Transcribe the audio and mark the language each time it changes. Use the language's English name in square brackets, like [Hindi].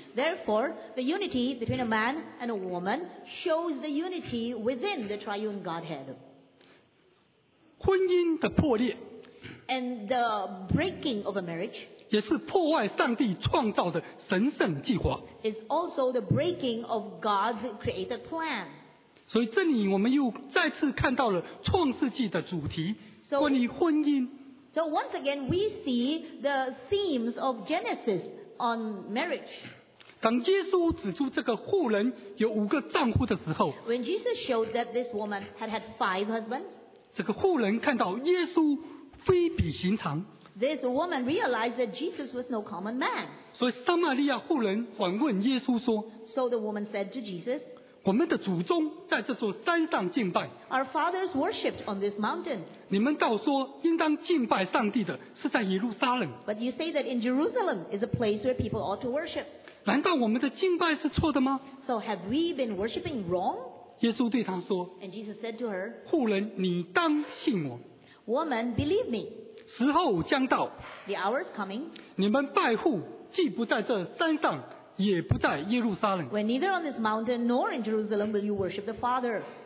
[English] Therefore, the unity between a man and a woman shows the unity within the triune Godhead. [Chinese] 婚姻的破裂。 [English] And the breaking of a marriage [Chinese] 也是破坏上帝创造的神圣计划。 [English] It's also the breaking of God's created plan. [Chinese] 所以这里我们又再次看到了创世纪的主题，关于婚姻。 [English] So once again, we see the themes of Genesis on marriage. [Chinese] 当耶稣指出这个妇人有五个丈夫的时候 [English] ，When Jesus showed that this woman had had five husbands, [Chinese] 这个妇人看到耶稣。非比寻常。 [English] This woman realized that Jesus was no common man. [Chinese] 所以撒玛利亚妇人反问耶稣说 [English] So the woman said to Jesus, [Chinese] 我们的祖宗在这座山上敬拜。 [English] Our fathers worshipped on this mountain. [Chinese] 你们倒说应当敬拜上帝的是在耶路撒冷。 [English] But you say that in Jerusalem is a place where people ought to worship. [Chinese] 难道我们的敬拜是错的吗 [English] So have we been worshipping wrong? [Chinese] 耶稣对他说 [English] And Jesus said to her, [Chinese] 妇人你当信我。 [English] Woman, believe me. [Chinese] 时候将到。 [English] The hour is coming. [Chinese] 你们拜父既不在这山上，也不在耶路撒冷。 [English] When neither on this mountain nor in Jerusalem will you worship the Father.